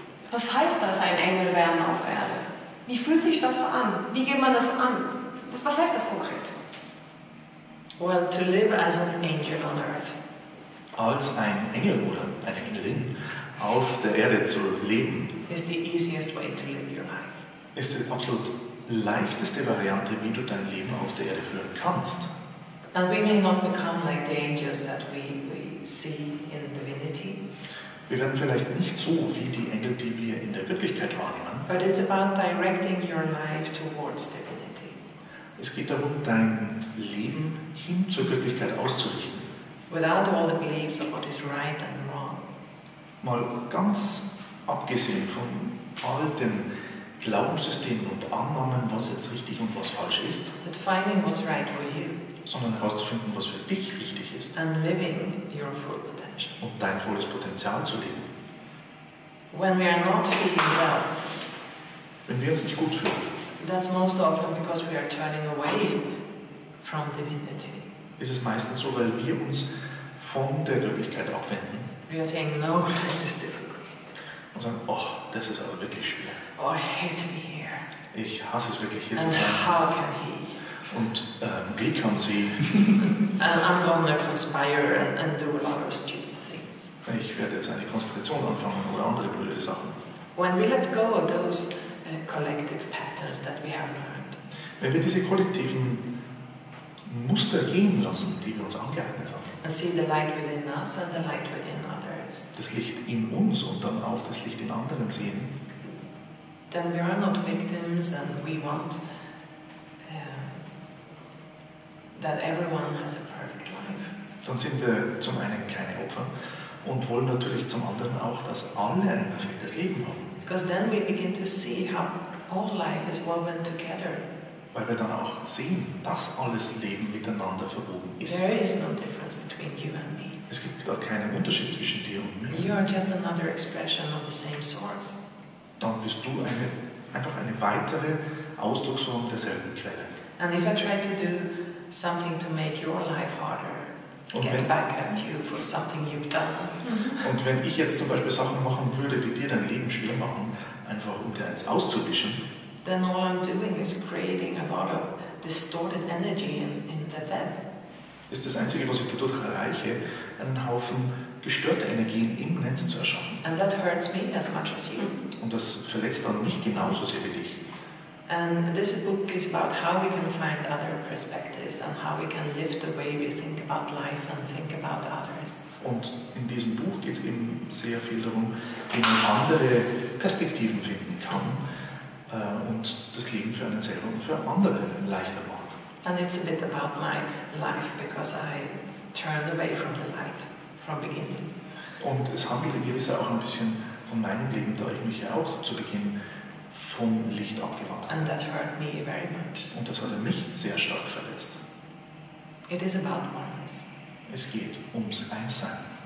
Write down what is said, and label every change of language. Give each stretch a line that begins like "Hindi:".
German: Was heißt das, ein Engel werden auf Erde? Wie fühlt sich das an? Wie geht man das an? Was heißt das konkret?
English: Well, to live as an angel on earth.
German: Als ein Engel oder eine Engelin auf der Erde zu leben,
English: is the easiest way to live your life.
German: Ist die absolut leichteste Variante, wie du dein Leben auf der Erde führen kannst.
English: And we may not become like the angels that we see in divinity.
German: Wir werden vielleicht nicht so wie die Engel, die wir in der Wirklichkeit wahrnehmen.
English: But it's about directing your life towards divinity.
German: Es geht darum, dein Leben hin zur Göttlichkeit auszurichten.
English: Without all the beliefs of what is right and wrong.
German: Mal ganz abgesehen von all den Glaubenssystemen und Annahmen, was jetzt richtig und was falsch ist.
English: But finding what's right for you.
German: Sondern herauszufinden, was für dich richtig ist.
English: And living your full potential.
German: Und dein volles Potenzial zu leben.
English: When we are not feeling well.
German: Wenn wir uns nicht gut fühlen.
English: That's most often because we are turning away from divinity.
German: Ist es meistens so, weil wir uns von der Göttlichkeit abwenden.
English: We are saying, no, that is difficult.
German: Und sagen, oh, das ist aber wirklich schwer.
English: Oh, I hate me here.
German: Ich hasse es wirklich hier
English: and
German: zu sein.
English: And how can he?
German: Und wie kann sie?
English: I'm going to conspire and do a lot of stupid things.
German: Ich werde jetzt eine Konspiration anfangen oder andere blöde Sachen.
English: When we let go of those collective patterns that we have learned.
German: Wenn wir diese kollektiven Muster gehen lassen, die wir uns angeeignet haben.
English: And see the light within us and the light within others.
German: Das Licht in uns und dann auch das Licht in anderen sehen.
English: Then we are not victims and we want that everyone has a perfect life.
German: Dann sind wir zum einen keine Opfer und wollen natürlich zum anderen auch, dass alle ein perfektes Leben haben.
English: Because then we begin to see how all life is woven together.
German: Weil wir dann auch sehen, dass alles Leben miteinander verwoben ist.
English: There is no difference between you and me.
German: Es gibt da keinen Unterschied zwischen dir und mir.
English: You are just another expression of the same source.
German: Dann bist du einfach eine weitere Ausdrucksform derselben Quelle.
English: And if I try to do something to make your life harder, get back at you for something you've done.
German: Und wenn ich jetzt zum Beispiel Sachen machen würde, die dir dein Leben schwer machen, einfach um dir eins auszuwischen,
English: then all I'm doing is creating a lot of distorted energy in the web.
German: Ist das Einzige, was ich dadurch erreiche, einen Haufen gestörter Energien im Netz zu erschaffen.
English: And that hurts me as much as you.
German: Und das verletzt dann mich genauso sehr wie dich.
English: And this book is about how we can find other perspectives and how we can live the way we think about life and think about others.
German: Und in diesem Buch geht es eben sehr viel darum, wie man andere Perspektiven finden kann und das Leben für einen selber und für andere leichter macht.
English: And it's a bit about my life because I turned away from the light from beginning.
German: Und es handelt in gewisser auch ein bisschen von meinem Leben, da ich mich ja auch zu Beginn vom Licht abgewandt.
English: And that hurt me very much.
German: Und das hat mich sehr stark verletzt.
English: It is about oneness.
German: Es geht ums Einssein.